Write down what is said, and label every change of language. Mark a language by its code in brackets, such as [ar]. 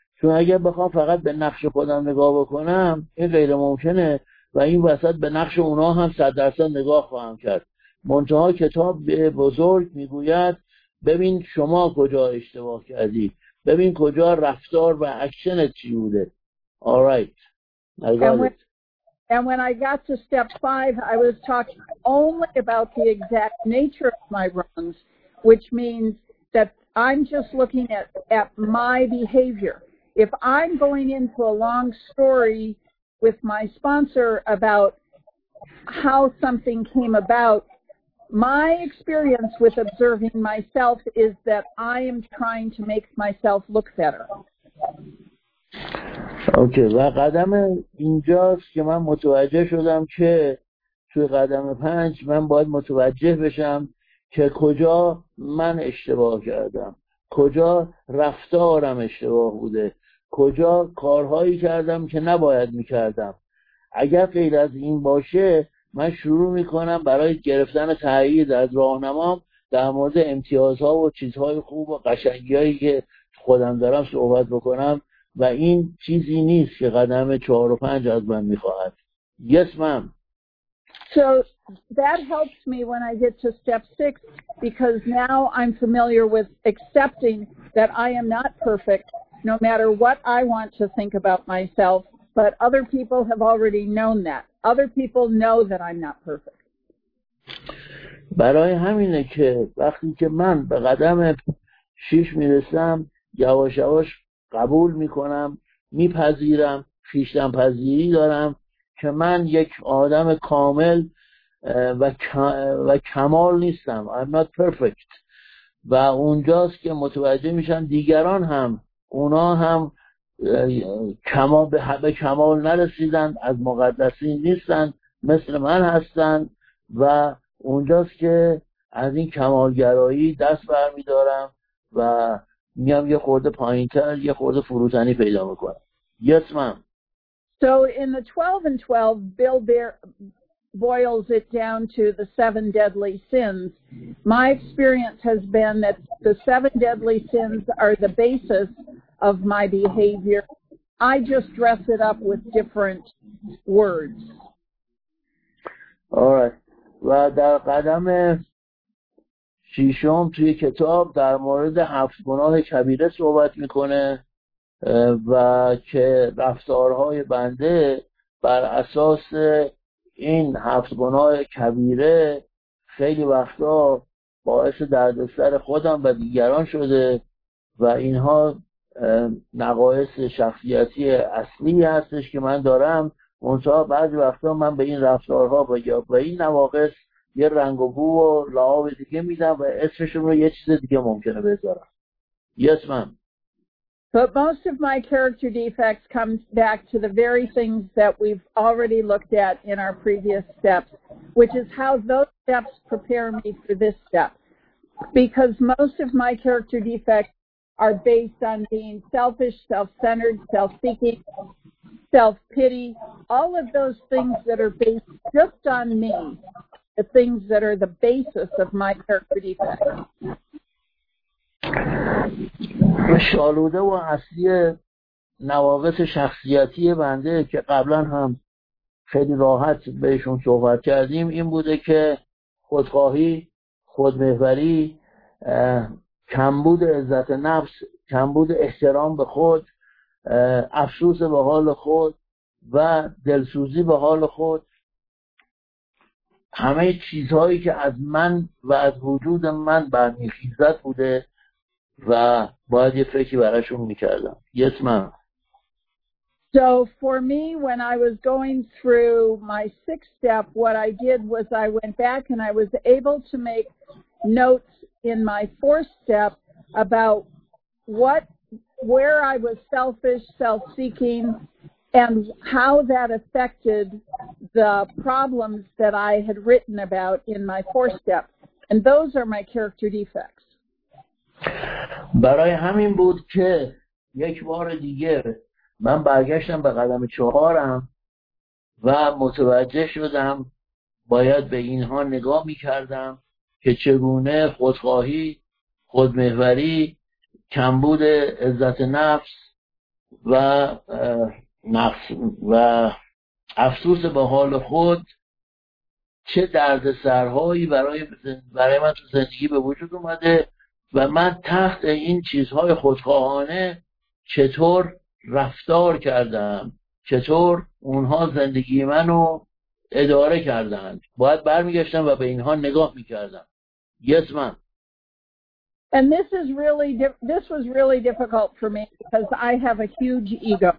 [fa] چون اگر بخوام فقط به نقش خودم نگاه بکنم این غیر ممکنه و این وسط به نقش اونا هم 100% نگاه خواهم کرد. منتها کتاب به بزرگ میگوید ببین شما کجا اشتباه کردی، ببین کجا رفتار و اکشنت چی بوده. [en] Alright. And when I got to step 5, I was talking only about the exact nature of my wrongs, which means that I'm just looking at my behavior. If I'm going into a long story with my sponsor about how something came about, my experience with observing myself is that I am trying to make myself look better. [fa] Okay, و قدم اینجاست که من متوجه شدم که توی قدم پنج من باید متوجه بشم که کجا من اشتباه کردم، کجا رفتارم اشتباه بوده، کجا کارهایی کردم که نباید میکردم. اگر غیر از این باشه من شروع میکنم برای گرفتن تأیید از راهنمام در مورد امتیازها و چیزهای خوب و قشنگیایی که خودم دارم صحبت بکنم و این چیزی نیست که قدم 4 و 5 از من می‌خواهد. [en] Yes, ma'am. So that helps me when I get to step 6 because now I'm familiar with accepting that I am not perfect no matter what I want to think about myself, but other people have already known that. Other people know that I'm not perfect. [fa] برای همینه که وقتی که من به قدم 6 میرسم یواش یواش قبول میکنم، میپذیرم، خویشتن پذیری دارم که من یک آدم کامل و کمال نیستم. [en] I'm not perfect. [fa] و اونجاست که متوجه میشم دیگران هم، اونا هم کمال به کمال نرسیدن، از مقدسین نیستن، مثل من هستن و اونجاست که از این کمالگرایی دست برمیدارم و میام یه خورده پایین‌تر، یه خورده فروتنی پیدا می‌کنم. [en] Yes, ma'am. So in the 12 and 12, Bill boils it down to the 7 deadly sins. My experience has been that the 7 deadly sins are the basis of my behavior. I just dress it up with different words. All right. [fa] و در قدم شیشم توی کتاب در مورد 7 گناه کبیره صحبت میکنه و که رفتارهای بنده بر اساس این 7 گناه کبیره خیلی وقتا باعث دردسر خودم و دیگران شده و اینها نقایص شخصیتی اصلی هستش که من دارم. منتها بعضی وقتا من به این رفتارها و یا به این نواقص یه رنگ و بو و لعاب دیگه میدم و اسمشون رو یه چیز دیگه ممکنه بذارم. [en] Yes, ma'am. But most of my character defects come back to the very things that we've already looked at in our previous steps, which is how those steps prepare me for this step. Because most of my character defects are based on being selfish, self-centered, self-seeking, self-pity, all of those things that are based just on me, the things that are the basis of my character defects. [fa] شالوده و اصلی نواقص شخصیتی بنده که قبلا هم خیلی راحت بهشون صحبت کردیم این بوده که خودخواهی، خودمحوری، کمبود عزت نفس، کمبود احترام به خود، افسوس به حال خود و دلسوزی به حال خود، همه چیزهایی که از من و از وجود من برمی‌خیزد بوده و باید یه فکری براشون میکردم. [en] Yes, ma'am. So for me, when I was going through my 6th step, what I did was I went back and I was able to make notes in my 4th step about where I was selfish, self-seeking, and how that affected the problems that I had written about in my 4th step. And those are my character defects. [fa] برای همین بود که یک بار دیگر من برگشتم به قدم 4 و متوجه شدم باید به اینها نگاه می کردم که چگونه خودخواهی، خودمحوری، کمبود عزت نفس و نفس و افسوس به حال خود چه درد سرهایی برای من تو زندگی به وجود اومده و من تحت این چیزهای خودخواهانه چطور رفتار کردم، چطور اونها زندگی منو اداره کردند. باید برمیگشتم و به اینها نگاه میکردم. [en] Yes, ma'am. And this was really difficult for me because I have a huge ego.